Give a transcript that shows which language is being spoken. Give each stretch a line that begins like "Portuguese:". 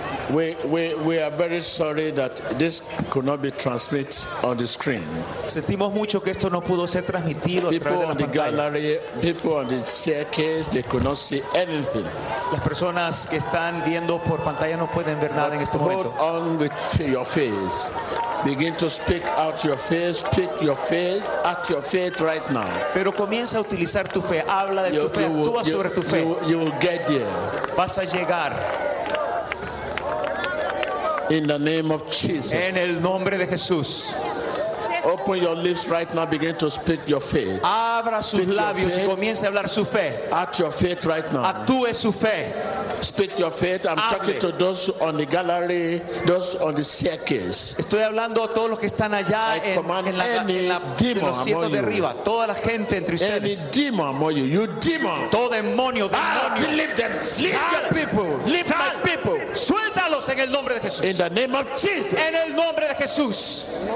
English: We are very sorry that this could not be transmitted on the screen.
Spanish: Sentimos mucho que esto no pudo ser transmitido a través de la pantalla.
English: People on the gallery, people on the staircase, they could not see anything.
Spanish: Las personas que están viendo por pantalla no pueden ver nada en este momento.
English: Hold on with your faith. Begin to speak out your faith. Speak your faith. Act your faith right now.
Spanish: Pero comienza a utilizar tu fe. Habla de tu fe. Actúa sobre tu fe.
English: You will get there.
Spanish: Vas a llegar.
English: In the name of Jesus.
Spanish: En el nombre de Jesús.
English: Open your lips right now. Begin to speak your faith.
Spanish: Abra sus
English: speak
Spanish: labios y comience a hablar su fe.
English: Act your faith right now.
Spanish: Actúe su fe.
English: Speak your faith. I'm
Spanish: Hable.
English: Talking to those on the gallery, those on the staircase.
Spanish: Estoy hablando a todos los que están allá en la
English: demon
Spanish: de arriba. Toda la gente entre ustedes.
English: Any demon among you? You demon.
Spanish: Todo demonio. Demonio.
English: Leave them. Leave your people. Leave my people.
Spanish: Suéltalos en el nombre de Jesús.
English: In the name of Jesus.
Spanish: En el nombre de Jesús.